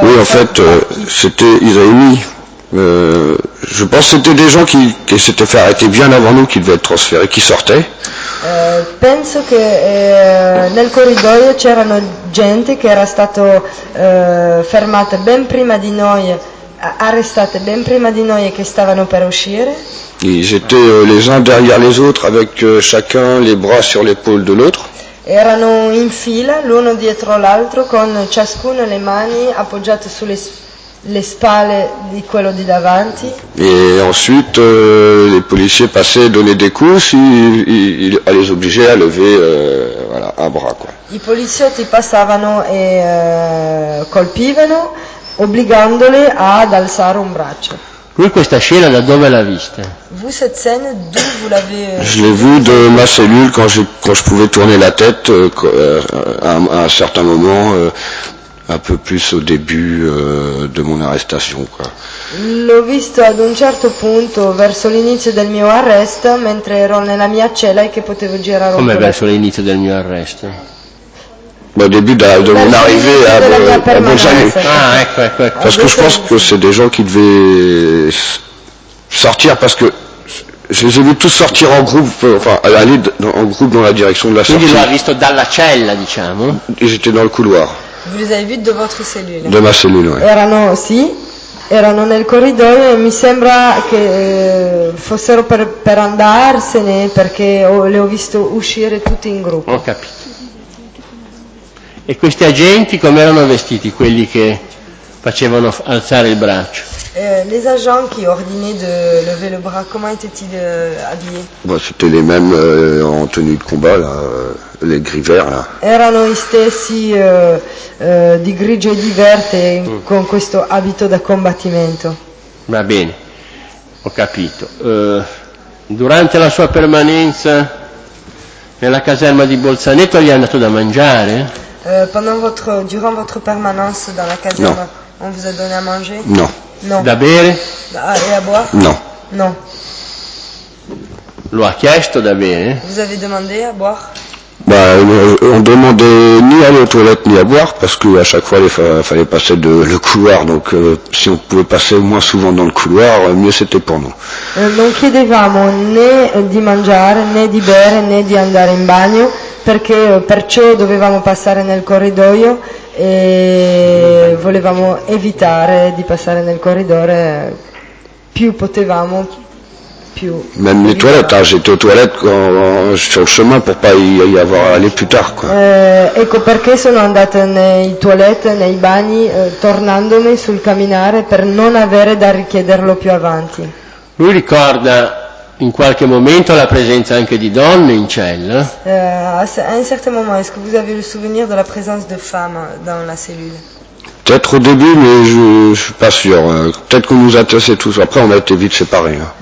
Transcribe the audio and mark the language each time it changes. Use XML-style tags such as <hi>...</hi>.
<fr>Oui, en fait, c'était Isaïe. Je pense que c'était des gens qui s'étaient fait arrêter bien avant nous, qui devaient être transférés, qui sortaient.</fr> <it>Penso che nel corridoio c'erano gente che era stato fermata ben prima di noi, arrestate ben prima di noi, e che stavano per uscire.</it> <fr>Ils étaient les uns derrière les autres avec chacun les bras sur l'épaule de l'autre.</fr> <it>Erano in fila l'uno dietro l'altro con ciascuno le mani appoggiate sulle le spalle di quello di davanti.</it> <fr>Et ensuite les policiers passaient donner des coups s'il a les obligé à lever voilà un bras quoi.</fr> <it>I poliziotti passavano e colpivano obbligandole ad alzare un braccio. Lui questa scena da dove l'ha vista?</it> <fr>Vous cette scène d'où vous l'avez? Je l'ai vu de ma cellule quand je pouvais tourner la tête à un certain moment un peu plus au début de mon arrestation, quoi.</fr> <it>L'ho visto ad un certo punto verso l'inizio del mio arresto, mentre ero nella mia cella e che potevo girare. Come verso l'inizio del mio arresto?</it> <fr>Au début de la de mon arrivée à Bolzano.</fr> <it>Ah, ecco, ecco, ecco.</it> <fr>Parce que je pense que c'est des gens qui devaient sortir parce que je les ai vus tous sortir en groupe, enfin aller en groupe dans la direction de la sortie.</fr> <it>Quindi l'ho visto dalla cella, diciamo.</it> <fr>Ils étaient dans le couloir. Vous les avez vus de votre cellule. De ma cellule, oui.</fr> <it>Erano, sì, erano nel corridoio e mi sembra che fossero per andarsene perché le ho visto uscire tutti in gruppo. Ho capito. E questi agenti come erano vestiti, quelli che facevano alzare il braccio?</it> <fr>Les agents qui ordinaient de lever le bras, comment étaient-ils habillés? Bah, c'était les mêmes en tenue de combat, là, les gris verts. Là.</fr> <it>Erano gli stessi di grigio e di verde con questo abito da combattimento. Va bene, ho capito. Durante la sua permanenza nella caserma di Bolzaneto gli è andato da mangiare?</it> <fr>Durant votre permanence dans la caserne, non. On vous a donné à manger? Non. Non.</fr> <it>Da bere?</it> <fr>Et à boire? Non. Non.</fr> <it>Lo ha chiesto da bere?</it> <fr>Vous avez demandé à boire? Bah, on demandait ni à aller aux toilettes ni à boire parce que à chaque fois il fallait passer de le couloir. Donc si on pouvait passer moins souvent dans le couloir, mieux c'était pour nous.</fr> <it>Non chiedevamo né di mangiare, né di bere, né di andare in bagno. Perché perciò dovevamo passare nel corridoio e volevamo evitare di passare nel corridore più potevamo più.</it> <fr>Même les toilettes, j'étais aux toilettes sur le chemin pour pas y avoir aller plus tard quoi.</fr> <it>Ecco perché sono andata nei toilette, nei bagni, tornandomi sul camminare per non avere da richiederlo più avanti. Lui ricorda in qualche momento la presenza anche di donne in cella?</it> <fr>A un certain moment, est-ce que vous avez le souvenir de la présence de femmes dans la cellule? Peut-être au début, mais je suis pas sûr. Peut-être qu'on nous a tassé tous. Après, on a été vite séparés.</fr>